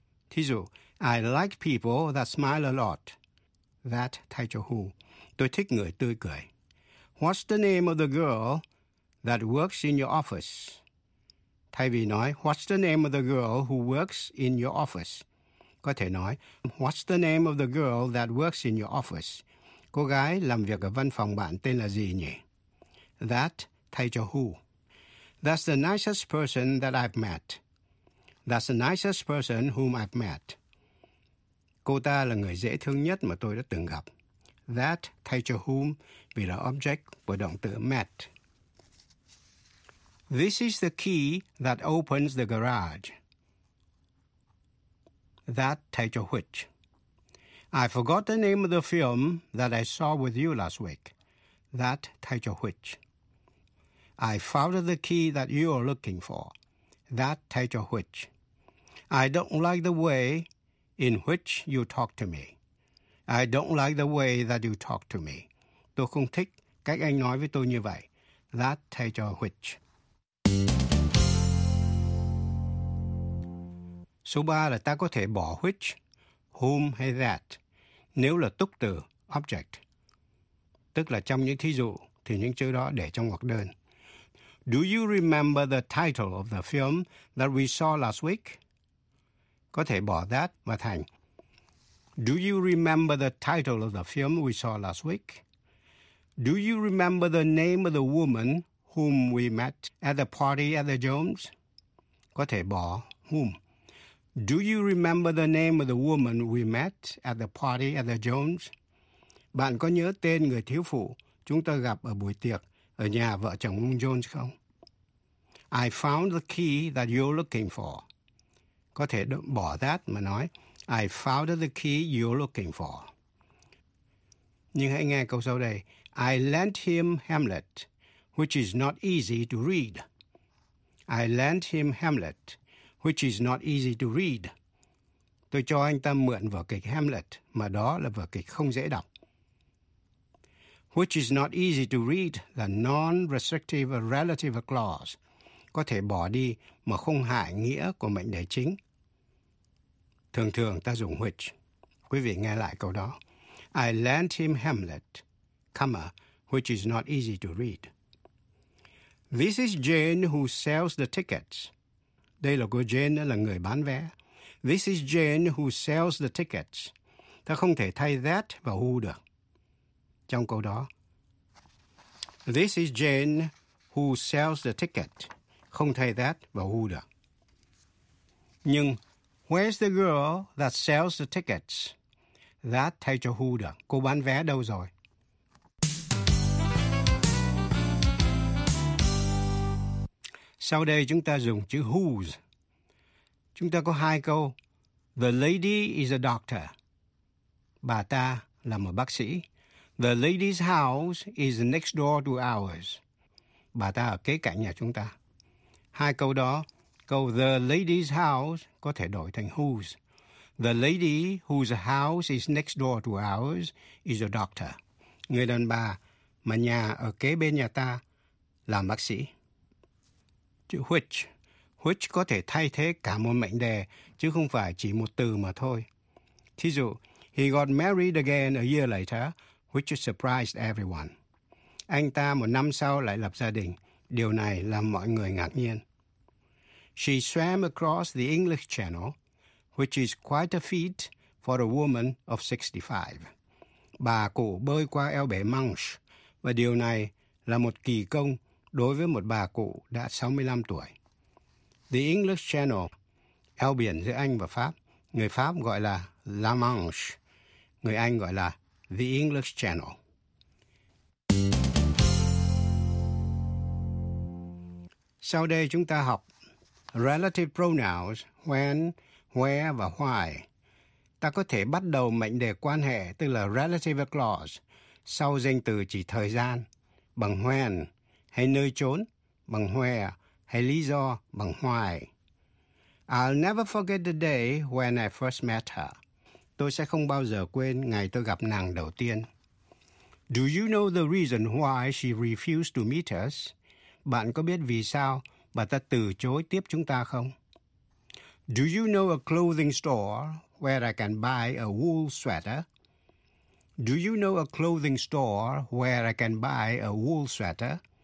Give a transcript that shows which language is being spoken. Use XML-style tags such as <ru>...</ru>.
<vi>Thí dụ,</vi> <en>I like people that smile a lot.</en> <vi>That thay cho who. Tôi thích người tươi cười.</vi> <en>What's the name of the girl that works in your office?</en> <vi>Thay vì nói,</vi> <en>what's the name of the girl who works in your office?</en> <vi>Có thể nói,</vi> <en>what's the name of the girl that works in your office?</en> <vi>Cô gái làm việc ở văn phòng bạn tên là gì nhỉ? That thay cho who.</vi> <en>That's the nicest person that I've met. That's the nicest person whom I've met.</en> <vi>Cô ta là người dễ thương nhất mà tôi đã từng gặp. That thay cho whom vì là object của động từ met.</vi> <en>This is the key that opens the garage. That</en> <vi>thay cho</vi> <en>which. I forgot the name of the film that I saw with you last week. That title which? I found the key that you are looking for. That title which? I don't like the way in which you talk to me. I don't like the way that you talk to me.</en> <vi>Tôi không thích cách anh nói với tôi như vậy. That title which? Số 3 là ta có thể bỏ which, whom hay that nếu là túc từ object. Tức là trong những thí dụ thì những chữ đó để trong hoặc đơn.</vi> <en>Do you remember the title of the film that we saw last week?</en> <vi>Có thể bỏ that mà thành.</vi> <en>Do you remember the title of the film we saw last week? Do you remember the name of the woman whom we met at the party at the Jones?</en> <vi>Có thể bỏ whom.</vi> <en>Do you remember the name of the woman we met at the party at the Jones?</en> <vi>Bạn có nhớ tên người thiếu phụ chúng ta gặp ở buổi tiệc ở nhà vợ chồng ông Jones không?</vi> <en>I found the key that you're looking for.</en> <vi>Có thể bỏ that mà nói</vi> <en>I found the key you're looking for.</en> <vi>Nhưng hãy nghe câu sau đây.</vi> <en>I lent him Hamlet, which is not easy to read. I lent him Hamlet, which is not easy to read.</en> <vi>Tôi cho anh ta mượn vở kịch Hamlet, mà đó là vở kịch không dễ đọc.</vi> <en>Which is not easy to read, là non-restrictive relative clause.</en> <vi>Có thể bỏ đi mà không hại nghĩa của mệnh đề chính. Thường thường ta dùng which. Quý vị nghe lại câu đó.</vi> <en>I lent him Hamlet, comma, which is not easy to read. This is Jane who sells the tickets.</en> <vi>Đây là cô Jane, là người bán vé.</vi> <en>This is Jane who sells the tickets.</en> <vi>Ta không thể thay that vào who được. Trong câu đó,</vi> <en>this is Jane who sells the ticket.</en> <vi>Không thay that vào who được. Nhưng,</vi> <en>where's the girl that sells the tickets?</en> <vi>That thay cho who được. Cô bán vé đâu rồi? Sau đây chúng ta dùng chữ whose. Chúng ta có hai câu.</vi> <en>The lady is a doctor.</en> <vi>Bà ta là một bác sĩ.</vi> <en>The lady's house is next door to ours.</en> <vi>Bà ta ở kế cạnh nhà chúng ta. Hai câu đó, câu</vi> <en>the lady's house</en> <vi>có thể đổi thành whose.</vi> <en>The lady whose house is next door to ours is a doctor.</en> <vi>Người đàn bà mà nhà ở kế bên nhà ta là bác sĩ. Chữ which. Which có thể thay thế cả một mệnh đề, chứ không phải chỉ một từ mà thôi. Thí dụ,</vi> <en>he got married again a year later, which surprised everyone.</en> <vi>Anh ta một năm sau lại lập gia đình. Điều này làm mọi người ngạc nhiên.</vi> <en>She swam across the English Channel, which is quite a feat for a woman of 65.</en> <vi>Bà cụ bơi qua eo bể Manch, và điều này là một kỳ công đối với một bà cụ đã 65 tuổi. The English Channel, eo biển giữa Anh và Pháp, người Pháp gọi là La Manche, người Anh gọi là The English Channel. Sau đây chúng ta học relative pronouns when, where và why. Ta có thể bắt đầu mệnh đề quan hệ, tức là relative clause, sau danh từ chỉ thời gian bằng when, hay nơi trốn bằng where, hay lý do bằng why.</vi> <en>I'll never forget the day when I first met her.</en> <vi>Tôi sẽ không bao giờ quên ngày tôi gặp nàng đầu tiên.</vi> <en>Do you know the reason why she refused to meet us?</en> <vi>Bạn có biết vì sao bà ta từ chối tiếp chúng ta không?</vi> <en>Do you know a clothing store where I can buy a wool sweater? Do you know a clothing store where I can buy a wool sweater?</en>